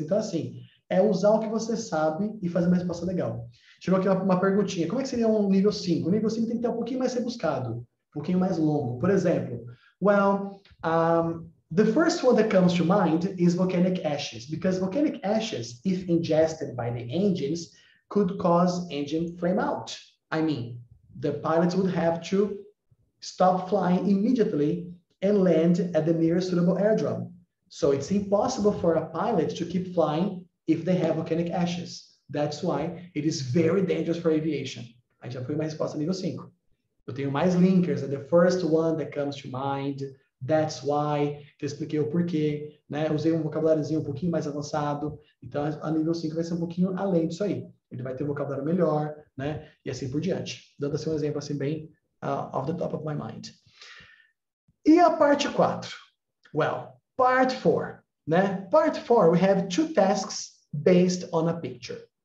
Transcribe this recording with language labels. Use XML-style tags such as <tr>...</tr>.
<pt>Então, assim, é usar o que você sabe e fazer uma resposta legal. Chegou aqui uma perguntinha. Como é que seria um nível 5? O nível 5 tem que ter um pouquinho mais rebuscado. Um pouquinho mais longo. Por exemplo,</pt> <en>well, the first one that comes to mind is volcanic ashes. Because volcanic ashes, if ingested by the engines, could cause engine flame out. I mean, the pilots would have to stop flying immediately and land at the nearest suitable airdrome. So it's impossible for a pilot to keep flying if they have volcanic ashes. That's why it is very dangerous for aviation.</en> <pt>Aí já foi uma resposta nível 5. Eu tenho mais linkers.</pt> <en>And the first one that comes to mind, that's why.</en> <pt>Te expliquei o porquê. Né? Usei um vocabuláriozinho um pouquinho mais avançado. Então, a nível 5 vai ser um pouquinho além disso aí. Ele vai ter um vocabulário melhor, né? E assim por diante. Dando assim um exemplo assim bem</pt> <en>off the top of my mind.</en> <pt>E a parte 4?</pt> <en>Well, part 4, né? Part 4, we have two tasks based on a picture.</en>